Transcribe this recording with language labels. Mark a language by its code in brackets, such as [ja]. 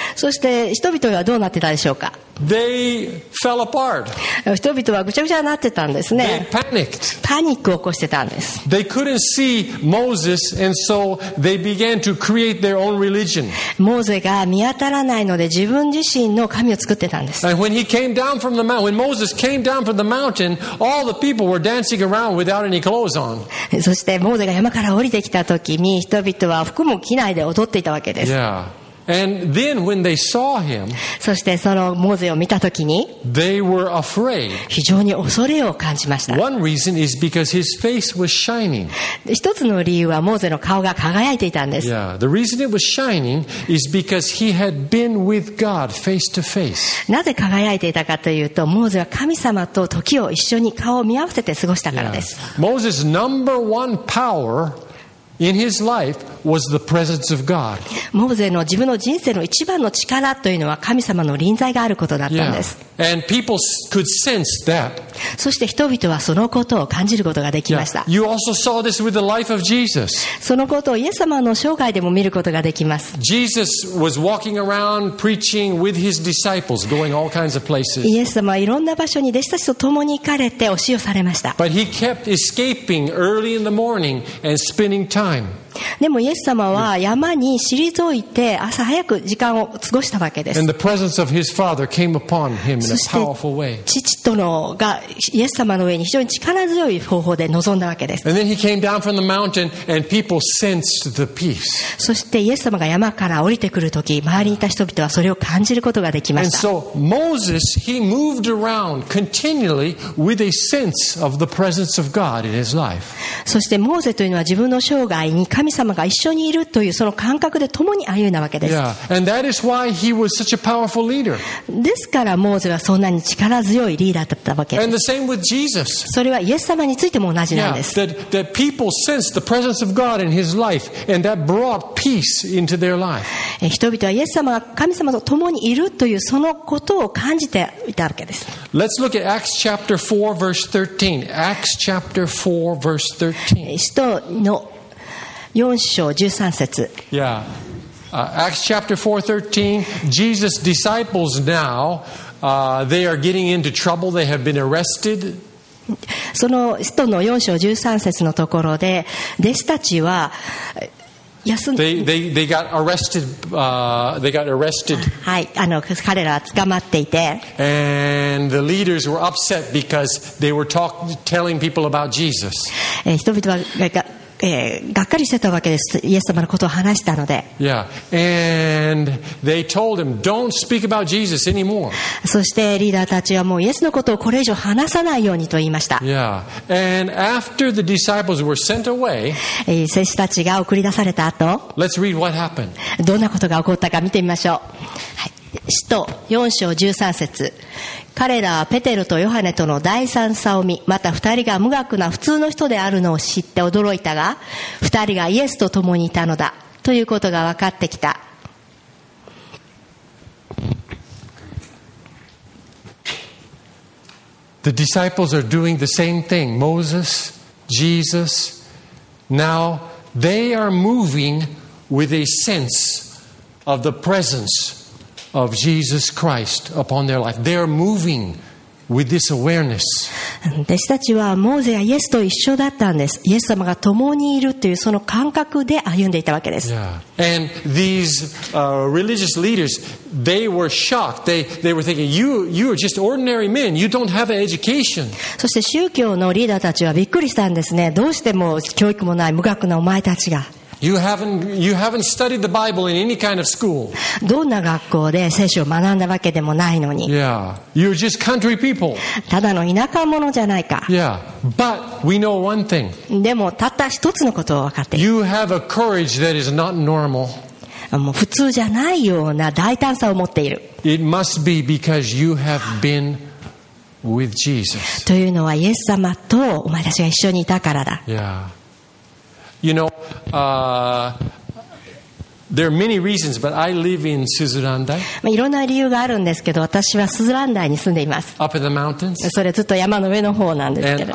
[ja] そして人々はどうなってたでしょうか? [en] They fell apart. [ja] 人々はぐちゃぐちゃになってたんですね。 [en] They panicked. [ja] パニックを起こしてたんです。 [en] They couldn't see Moses, and so they began to create their own religion. [ja] モーゼが見当たらないので自分自身の神を作ってたんです。 [en] And when he came down from the mountain, when Moses came down from the mountain, all the people were dancing around without any clothes on. [ja] そしてモーゼが山から降りてきた時に人々は服も着ないで踊っていたわけです。 [en] Yeah. And then when they saw him, [ja] そしてそのモーゼを見た時に [en] they were afraid. [ja] 非常に恐れを感じました。 [en] One reason is because his face was shining. [ja] 一つの理由はモーゼの顔が輝いていたんです。 [en] Yeah. The reason it was shining is because he had been with God face to face. [ja] なぜ輝いていたかというとモーゼは神様と時を一緒に顔を見合わせて過ごしたからです。 [en] Yeah. Moses' number one powerIn his life was the presence of God. [ja] モーゼの自分の人生の一番の力というのは神様の臨在があることだったんです。 [en] Yeah. And people could sense that. [ja] そして人々はそのことを感じることができました。 [en] Yeah. You also saw this with the life of Jesus. [ja] そのことをイエス様の生涯でも見ることができます。 [en] Jesus was walking around preaching with his disciples, going all kinds of places. [ja] イエス様はいろんな場所に弟子たちと共に行かれて教えされました。 [en] But he kept escaping early in the morning and spending time. [ja] でもイエス様は山に退いて朝早く時間を過ごしたわけです。 [en] And the presence of his father came upon him in a powerful way. [ja] そして父とのがイエス様の上に非常に力強い方法で臨んだわけです。 [en] And then he came down from the mountain and people sensed the peace. [ja] そしてイエス様が山から降りてくるとき、周りにいた人々はそれを感じることができました。 [en] And so Moses, he moved around continually with a sense of the presence of God in his life. [ja] そしてモーゼというのは自分の生涯に神神様が一緒にいるというその感覚で共に歩んだわけです。 [en] Yeah. And that is why he was such a powerful leader. [ja] ですからモーゼはそんなに力強いリーダーだったわけです。 [en] And the same with Jesus. [ja] それはイエス様についても同じなんです。 [en] Yeah. That people sensed the presence of God in his life, and that brought peace into their life. [ja] 人々はイエス様が神様と共にいるというそのことを感じていたわけです。 [en] Let's look at Acts chapter 4 verse 13. Acts chapter 4 verse 13. [ja] 4章13節。 [en] Yeah. Acts chapter 4:13. Jesus' disciples now, they are getting into trouble. They have been arrested. [ja] その使徒の4章13節のところで、弟子たちは休ん。 [en] They got arrested. They got arrested. [ja] はい、彼らは捕まっていて。 [en] And the leaders were upset because they were telling people about Jesus. [ja] 人々はがっかりしてたわけです。イエス様のことを話したので。 [en] Yeah. And they told him, "Don't speak about Jesus anymore." [ja] そしてリーダーたちはもうイエスのことをこれ以上話さないようにと言いました。 [en] Yeah. And after the disciples were sent away, [ja] 弟子たちが送り出された後、 [en] Let's read what happened. [ja] どんなことが起こったか見てみましょう。はい、使徒4章13節。彼らはペテロとヨハネとの大惨差を見、また二人が無学な普通の人であるのを知って驚いたが、二人がイエスと共にいたのだということが分かってきた。 [en] The disciples are doing the same thing. Moses, Jesus. Now they are moving with a sense of the presence of Jesus Christ upon their life. They're moving with this awareness. [ja] 弟子たちはモーゼやイエスと一緒だったんです。イエス様が共にいるというその感覚で歩んでいたわけです。 [en] Yeah. And these religious leaders, they were shocked. They were thinking, you are just ordinary men. You don't have an education. [ja] そして宗教のリーダーたちはびっくりしたんですね。どうしても教育もない無学なお前たちが。 [en] You haven't studied the Bible in any kind of school. [ja] どんな学校で聖書を学んだわけでもないのに。 [en] Yeah. You're just country people. [ja] ただの田舎者じゃないか。 [en] Yeah. But we know one thing. [ja] でもたった一つのことを分かっている [en] You have a courage that is not normal. [ja] もう普通じゃないような大胆さを持っている。 [en] It must be because you have been with Jesus. [ja] というのはイエス様とお前たちが一緒にいたからだ。 [en] Yeah. You know, there are many reasons, but I live in Suzurandai. [ja] いろんな理由があるんですけど、私はスズランダイに住んでいます。 [en] Up in the mountains. [ja] それずっと山の上の方なんですけど。